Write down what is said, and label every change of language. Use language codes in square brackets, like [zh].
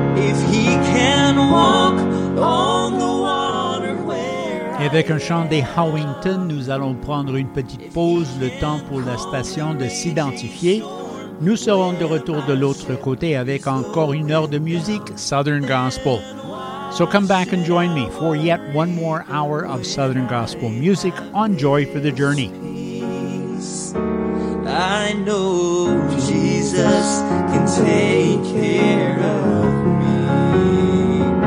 [en] If he can walk on the water where. [fr] Avec un chant des Howington, nous allons prendre une petite pause, le temps pour la station de s'identifier. Nous serons de retour de l'autre côté avec encore une heure de musique, Southern Gospel. [en] So come back and join me for yet one more hour of Southern Gospel music on Joy for the Journey. I know Jesus can take care of me.